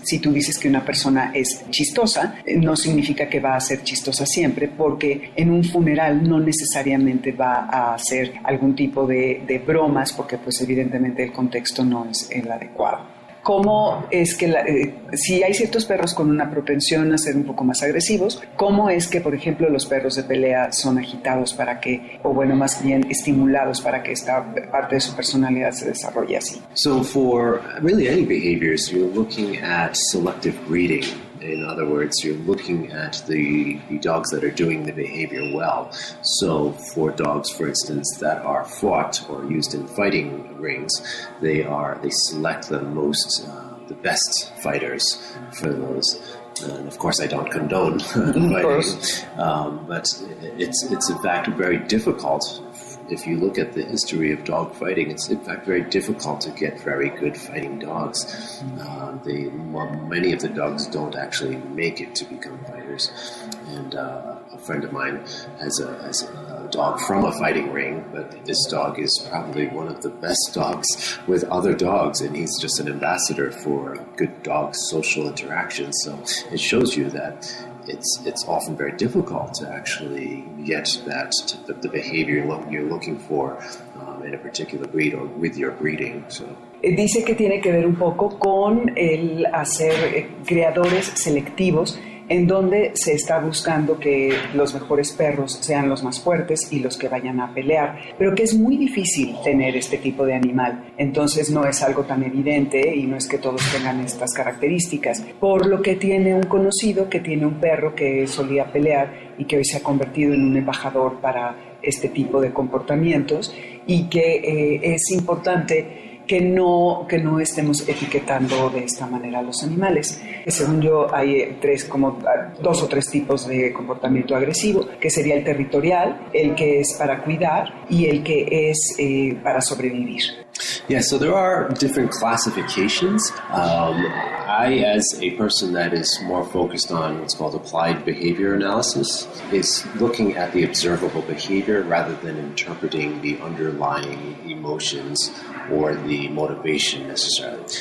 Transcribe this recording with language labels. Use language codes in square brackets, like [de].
[es] Si tú dices que una persona es chistosa, no significa que va a ser chistosa siempre, porque en un funeral no necesariamente va a hacer algún tipo de bromas, porque pues evidentemente el contexto no es el adecuado. ¿Cómo es que si hay ciertos perros con una propensión a ser un poco más agresivos, cómo es que, por ejemplo, los perros de pelea son agitados para que, o bueno, más bien estimulados para que esta parte de su personalidad se desarrolle así? [en] So for really any behaviors, you're looking at selective breeding. In other words, you're looking at the dogs that are doing the behavior well. So for dogs, for instance, that are fought or used in fighting rings, they select the most, the best fighters for those. And of course, I don't condone fighting. But it's in fact very difficult. If you look at the history of dog fighting, it's in fact very difficult to get very good fighting dogs. Many of the dogs don't actually make it to become fighters. And a friend of mine has a dog from a fighting ring, but this dog is probably one of the best dogs with other dogs, and he's just an ambassador for good dog social interaction. So it shows you that it's often very difficult to actually get that the behavior you're looking for in a particular breed or with your breeding. So [es] dice que tiene que ver un poco con el hacer criadores selectivos, en donde se está buscando que los mejores perros sean los más fuertes y los que vayan a pelear, pero que es muy difícil tener este tipo de animal. Entonces no es algo tan evidente y no es que todos tengan estas características. Por lo que tiene un conocido que tiene un perro que solía pelear y que hoy se ha convertido en un embajador para este tipo de comportamientos, y que es importante que no estemos etiquetando de esta manera a los animales. Según yo, hay dos o tres tipos de comportamiento agresivo, que sería el territorial, el que es para cuidar y el que es para sobrevivir. [en] Yeah, so there are different classifications. I, as a person that is more focused on what's called applied behavior analysis, is looking at the observable behavior rather than interpreting the underlying emotions or the motivation necessarily.